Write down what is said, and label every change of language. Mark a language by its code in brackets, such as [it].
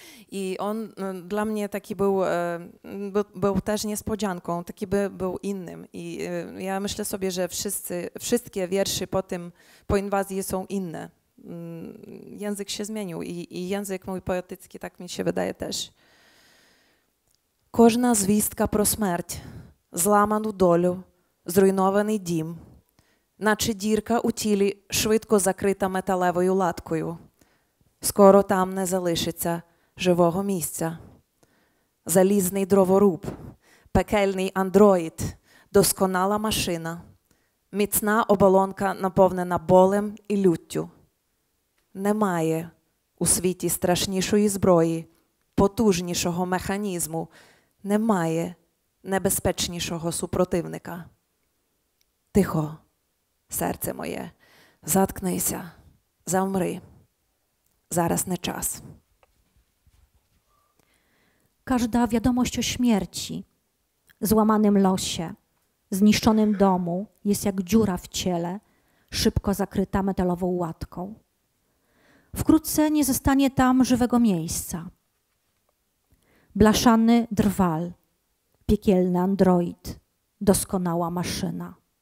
[pl] I on dla mnie taki był też niespodzianką, taki był innym. I ja myślę sobie, że wszystkie wiersze po inwazji są inne. Język się zmienił i język mój poetycki, tak mi się wydaje też. [uk] Кожна звістка про смерть, зламану долю, зруйнований дім, наче дірка у тілі швидко закрита металевою латкою. Скоро там не залишиться живого місця. Залізний дроворуб, пекельний андроїд, досконала машина, міцна оболонка наповнена болем і люттю. Немає у світі страшнішої зброї, потужнішого механізму, немає небезпечнішого супротивника. Тихо, серце моє, заткнися, замри. Зараз не час. [pl] Każda wiadomość o śmierci, złamanym losie, zniszczonym domu jest jak dziura w ciele, szybko zakryta metalową łatką. Wkrótce nie zostanie tam żywego miejsca. Blaszany drwal, piekielny android, doskonała maszyna.